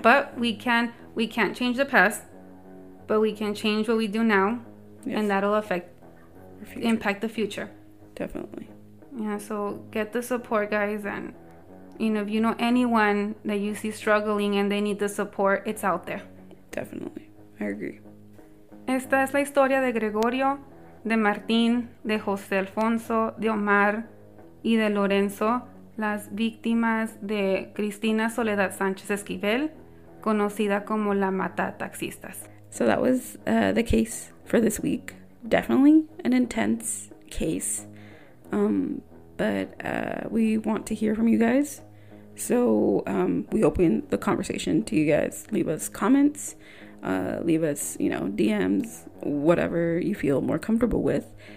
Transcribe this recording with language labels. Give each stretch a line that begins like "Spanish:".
English: But we can't change the past, but we can change what we do now. Yes. And that'll impact the future. Definitely. Yeah, so get the support, guys. And, you know, if you know anyone that you see struggling and they need the support, it's out there. Definitely. I agree.
Spanish: Esta es la historia de Gregorio, de Martín, de José Alfonso, de Omar y de Lorenzo. Las víctimas de Cristina Soledad Sánchez Esquivel, conocida como la Matataxistas.
English: So that was the case for this week. Definitely an intense case. But we want to hear from you guys. So we open the conversation to you guys. Leave us comments. Leave us, you know, DMs, whatever you feel more comfortable with.